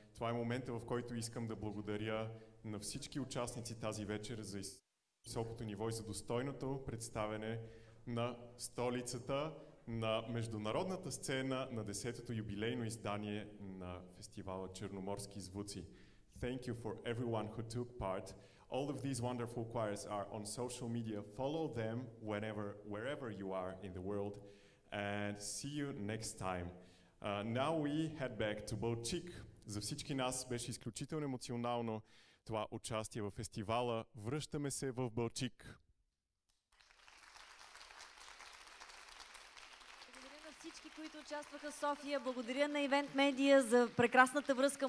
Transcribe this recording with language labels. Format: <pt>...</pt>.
<bg>Това е моментът, в който искам да благодаря на всички участници тази вечер за високото ниво и за достойното представяне на столицата, на международната сцена, на 10-то юбилейно издание на фестивала Черноморски звуци.</bg> <en>Thank you for everyone who took part. All of these wonderful choirs are on social media. Follow them whenever, wherever you are in the world. And see you next time. Now we head back to Bălcic.</en> <bg>За всички нас беше изключително емоционално това участие в фестивала. Връщаме се в Бălcic. Всички, които участваха в София, благодаря на Event Media за прекрасната връзка.</bg>